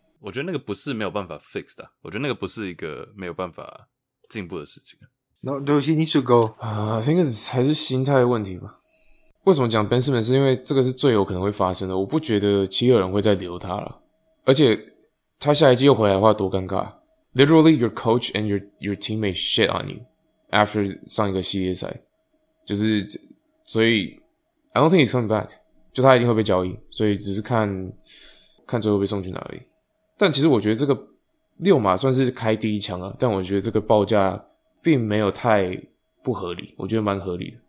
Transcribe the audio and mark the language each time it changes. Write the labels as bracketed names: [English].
[Chinese] 我觉得那个不是没有办法 fix 的，我觉得那个不是一个没有办法进步的事情。 [English] No, no, he needs to go. I think it's [Chinese] 还是心态问题吧。为什么讲 Ben Simmons 是因为这个是最有可能会发生的？我不觉得其他人会再留他了，而且他下一季又回来的话，多尴尬。 [English] Literally, your coach and your teammate shit on you after [Chinese] 上一个系列赛，就是所以 [English] I don't think he's coming back. [Chinese] 就他一定会被交易，所以只是看最后被送去哪里。但其实我觉得这个六码算是开第一枪啊，但我觉得这个报价并没有太不合理，我觉得蛮合理的。